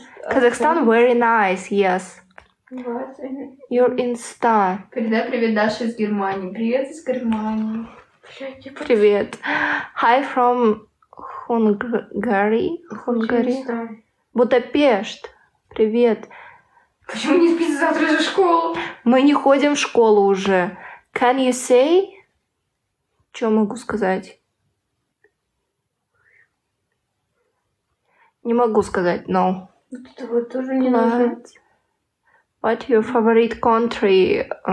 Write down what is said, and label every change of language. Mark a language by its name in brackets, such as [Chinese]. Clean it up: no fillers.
[English] Казахстан very nice, yes. Your Insta. [Russian] Передай привет Даше из Германии. Привет из Германии. Привет. [English] Hi from Hungary. Hungary. Будапешт. Привет. [Russian] Почему не спите завтра же в школу? Мы не ходим в школу уже. [English] Can you say? [Russian] Чё могу сказать? Не могу сказать, но... Вот это вот тоже не нужно. [English] What your favorite country?